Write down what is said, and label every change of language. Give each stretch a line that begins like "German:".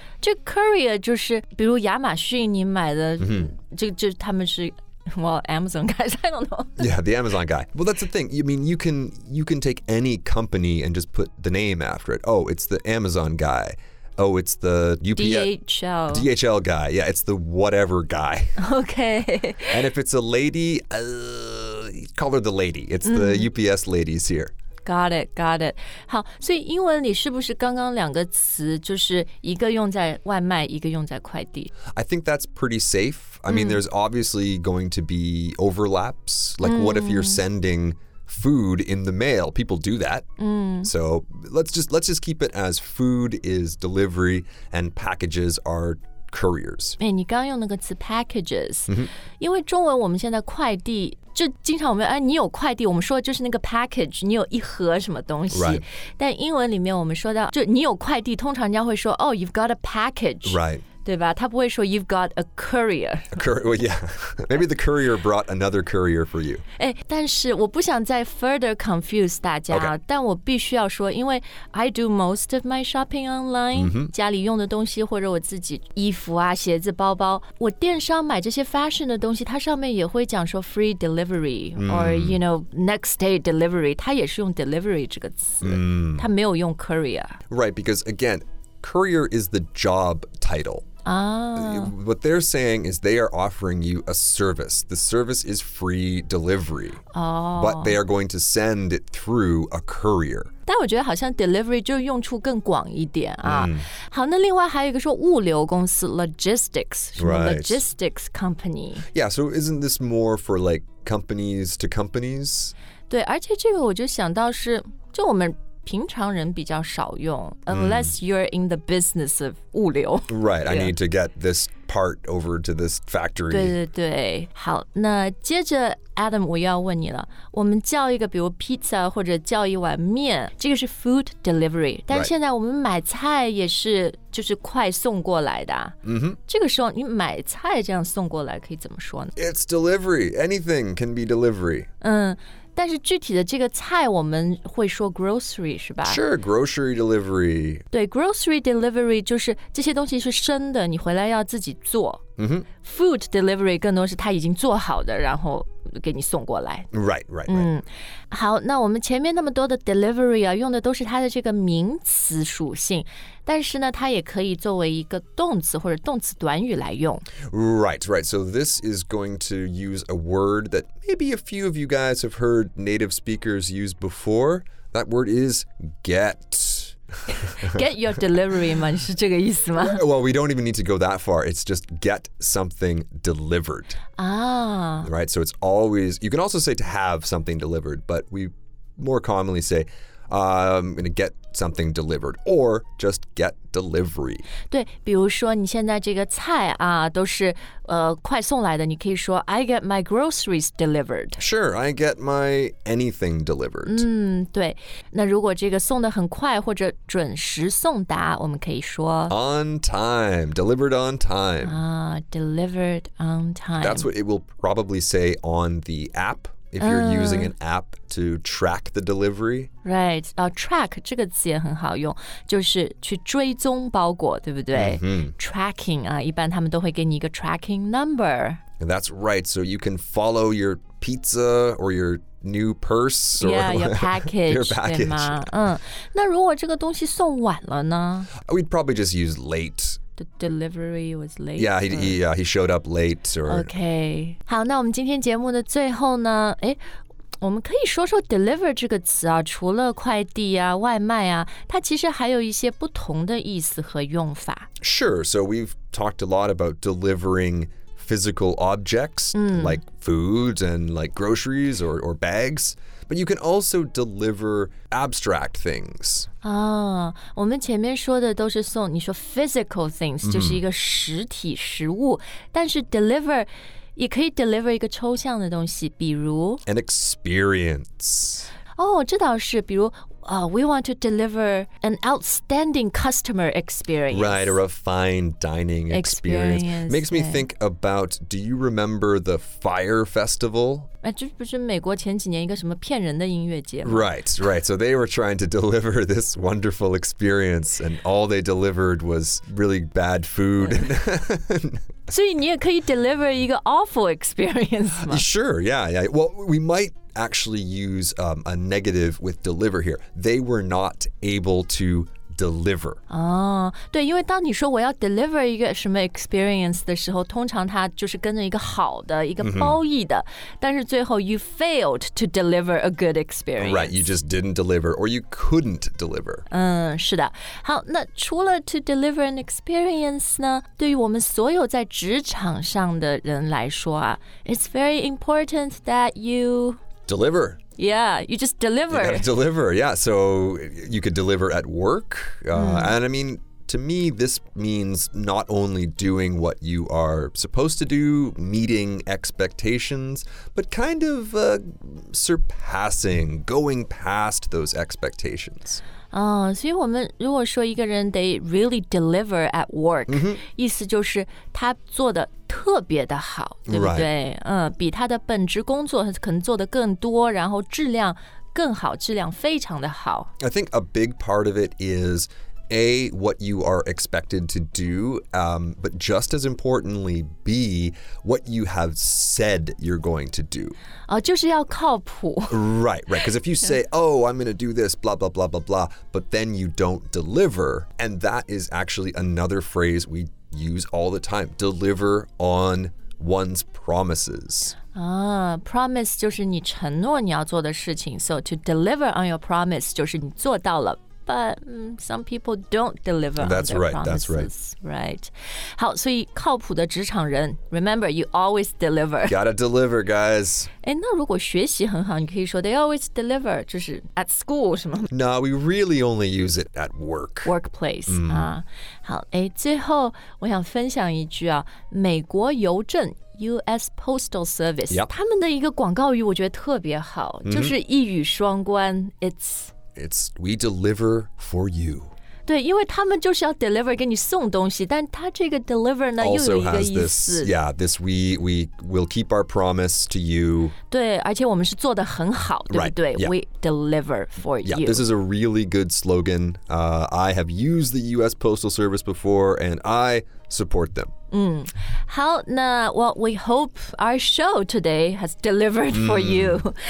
Chinese: 这 courier 就是，比如亚马逊你买的，就他们是 ，
English: well, Amazon guys, I don't know. Yeah, the Amazon guy. Well, that's the thing. I mean, you can take any company and just put the name after it. Oh, it's the Amazon guy. Oh, it's the DHL. DHL guy. Yeah, it's the whatever guy. Okay. And if it's a lady, call her the lady. It's the UPS ladies here. Got it, got it.
Chinese: 好，所以英文里是不是刚刚两个词就是一个用在外卖，一个用在快递？
English: I think that's pretty safe. I mean, there's obviously going to be overlaps. Like, what if you're sending... food in the mail. People do that. So let's just keep it as food is delivery and packages are couriers.
Chinese: 哎，你刚用那个词 packages， 因为中文我们现在快递就经常我们哎，你有快递，我们说就是那个 package， 你有一盒什么东西。
English: Right.
Chinese: 但英文里面我们说到就你有快递，通常人家会说
English: oh, you've got a package. Right.
Chinese: 对吧？他不会说
English: you've got a courier. A courier, well, yeah. Maybe the courier brought another courier for you.
Chinese: 哎，但是我不想再
English: further confuse
Chinese: 大家。
English: Okay.
Chinese: 但我必须要说，因为
English: I do most of my shopping online.
Chinese: 家里用的东西或者我自己衣服啊、鞋子、包包，我电商买这些 fashion 的东西，它上面也会讲说
English: free delivery or you know next day delivery.
Chinese: 它也是用 delivery 这个词。它没有用 courier.
English: Right, because again. Courier is the job title. What they're saying is they are offering you a service. The service is free delivery. But they are going to send it through a courier.
Chinese: 但我觉得好像 delivery 就用处更广一点啊。好，那另外还有一个说物流公司 logistics, 什么 logistics company.
English: Yeah, so isn't this more for like companies to companies?
Chinese: 对，而且这个我就想到是，就我们平常人比较少用
English: unless you're in the business of
Chinese: 物流
English: Right, I need to get this part over to this factory.
Chinese: 对对对，好，那接着 Adam, 我要问你了，我们叫一个比如 pizza 或者叫一碗面，这个是 food delivery, 但现在我们买菜也是就是快送过来的。这个时候你买菜这样送过来可以怎么说呢？
English: It's delivery, anything can be delivery.
Chinese: 但是具体的这个菜我们会说 grocery 是吧
English: Sure, grocery delivery.
Chinese: 对 grocery delivery 就是这些东西是生的你回来要自己做。
English: Mm-hmm.
Chinese: Food delivery 更多是他已经做好的，然后给你送过来。
English: Right.
Chinese: 好，那我们前面那么多的 delivery 啊，用的都是它的这个名词属性，但是呢，它也可以作为一个动词或者动词短语来用。
English: Right. So this is going to use a word that maybe a few of you guys have heard native speakers use before. That word is get. Get your delivery,
Chinese: 吗？是这个意思吗？
English: Well, we don't even need to go that far. It's just get something delivered. Ah. Right? So it's always, you can also say to have something delivered, but we more commonly say, I'm going to get something delivered, or just get delivery.
Chinese: 对，比如说你现在这个菜啊，都是快送来的，你可以说
English: I get my groceries delivered. Sure, I get my anything delivered.
Chinese: 对。那如果这个送得很快或者准时送达，我们可以说
English: On time, delivered on time. Delivered on time. That's what it will probably say on the app. If you're using an app to track the delivery. Right.
Chinese: Track, 这个词也很好用，就是去追踪包裹，对不对？
English: Mm-hmm.
Chinese: Tracking, 一般他们都会给你一个 tracking number.
English: That's right. So you can follow your pizza or your new purse. Or yeah, your package. your package.
Chinese: 对吗？那如果这个东西送晚了呢？
English: We'd probably just use late. The delivery was late. Yeah, he showed up late. Or... Okay.
Chinese: 好，那我们今天节目的最后呢，我们可以说说 deliver 这个词啊，除了快递啊、外卖啊，它其实还有一些不同的意思和用法。
English: Sure. So we've talked a lot about delivering physical objects, like food and like groceries or bags. But you can also deliver abstract things.
Chinese: We 们前面说的都是送你说
English: physical things,
Chinese: 就是一个实体实物。但是 deliver, 也可以 deliver 一个抽象的东西比如
English: An experience. Oh,
Chinese: 这倒是比如
English: we want to deliver an outstanding customer experience. Right, or a fine dining experience. Makes me think about, do you remember the Fire Festival?
Chinese: 这不是美国前几年一个什么骗人的音乐节吗
English: Right. So they were trying to deliver this wonderful experience and all they delivered was really bad food.
Chinese: 所以你也可以 deliver 一个 awful experience 吗
English: Sure, yeah. Well, we might actually use a negative with deliver here. They were not able to deliver.
Chinese: 对因为当你说我要 deliver 一个什么 experience 的时候通常它就是跟着一个好的一个褒义的、mm-hmm. 但是最后
English: you failed to deliver a good experience. Right, you just didn't deliver or you couldn't deliver.
Chinese: 是的。好那除了 to deliver an experience 呢对于我们所有在职场上的人来说啊
English: it's very important that you... Deliver. Yeah, you just deliver. You gotta deliver, yeah. So you could deliver at work. And I mean, to me, this means not only doing what you are supposed to do, meeting expectations, but kind of surpassing, going past those expectations.
Chinese: 所以我们如果说一个人
English: they really deliver at work,、 mm-hmm.
Chinese: 意思就是他做的特别的好，对不对？
English: Right.
Chinese: 比他的本职工作可能做的更多，然后质量更好，质量非常的好。
English: I think a big part of it is A, what you are expected to do, but just as importantly, B, what you have said you're going to do.
Chinese: 就是要靠谱。
English: Right, because if you say, oh, I'm going to do this, blah, blah, blah, blah, blah, but then you don't deliver, and that is actually another phrase we use all the time, deliver on one's promises.
Chinese: Promise 就是你承诺你要做的事情
English: so to deliver on your promise
Chinese: 就是你做到了。
English: But some people don't deliver on their promises. That's right, that's right.
Chinese: 好，所以靠谱的职场人
English: remember, you always deliver. Gotta deliver, guys.
Chinese: 那如果学习很好，你可以说
English: they always deliver,
Chinese: 就是
English: at school,
Chinese: 是吗？
English: No, we really only use it at work. Workplace.
Chinese: 好，最后我想分享一句啊，美国邮政U.S. Postal Service, 他们的一个广告语我觉得特别好，就是一语双关 It's
English: we deliver for you.
Chinese: 对，因为他们就是要 deliver 给你送东西，但他这个 deliver 呢，又有一个意思。
English: Also has this, yeah, this we will keep our promise to you.
Chinese: 对，而且我们是做得很好，对不对？
English: Right, yeah. We deliver for you. Yeah, this is a really good slogan. I have used the U.S. Postal Service before, and I support them.
Chinese: 好。好，那
English: what we hope our show today has delivered for you.